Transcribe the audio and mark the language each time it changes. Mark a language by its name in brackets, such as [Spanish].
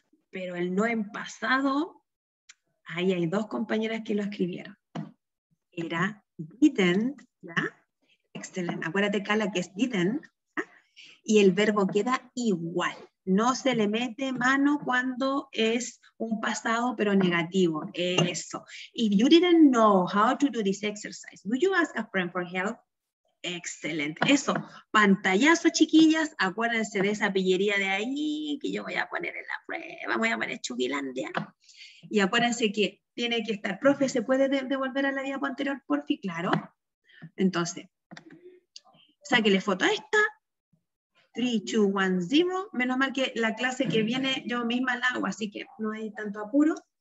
[Spanish] Pero el no en pasado, ahí hay dos compañeras que lo escribieron. Era didn't, ¿ya? Excelente. Acuérdate, Carla, que es didn't, ¿ya? Y el verbo queda igual. No se le mete mano cuando es un pasado, pero negativo. Eso. [English] If you didn't know how to do this exercise, would you ask a friend for help? [Spanish] Excelente, eso, pantallazo chiquillas, acuérdense de esa pillería de ahí que yo voy a poner en la prueba, voy a poner Chugilandia. Y acuérdense que tiene que estar, profe, ¿se puede devolver a la diapo anterior? Porfi, claro. Entonces, sáquele foto a esta, 3, 2, 1, 0, menos mal que la clase que viene yo misma la hago, así que no hay tanto apuro.